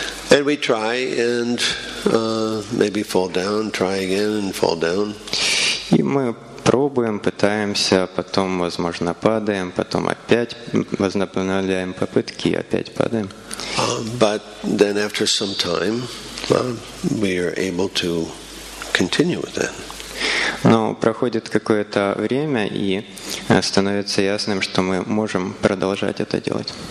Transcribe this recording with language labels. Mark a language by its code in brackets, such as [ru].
[en] And we try and maybe fall down, try again and fall down. [ru] И мы пробуем, пытаемся, потом, возможно, падаем, потом опять возобновляем попытки и опять падаем. [en] But then after some time, we are able to continue with that. [ru] Но проходит какое-то время, и становится ясным, что мы можем продолжать это делать.